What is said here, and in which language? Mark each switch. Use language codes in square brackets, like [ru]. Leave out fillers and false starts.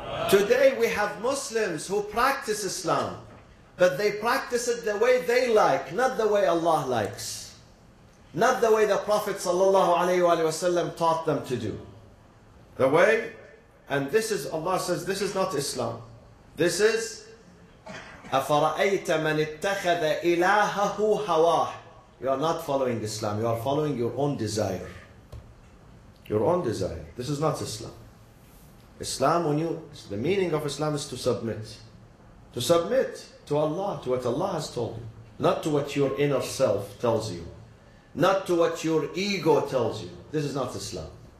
[en] Today we have Muslims who practice Islam, but they practice it the way they like, not the way Allah likes, not the way the Prophet sallallahu alaihi wasallam taught them to do. The way, and this is, Allah says, this is not Islam. This is [ar] أَفَرَأَيْتَ مَنِ اتَّخَذَ إِلَاهَهُ هَوَاهُ. [en] You are not following Islam. You are following your own desire. Your own desire. This is not Islam. Islam, when you, the meaning of Islam is to submit. To submit to Allah, to what Allah has told you. Not to what your inner self tells you. Not to what your ego tells you. This is not Islam.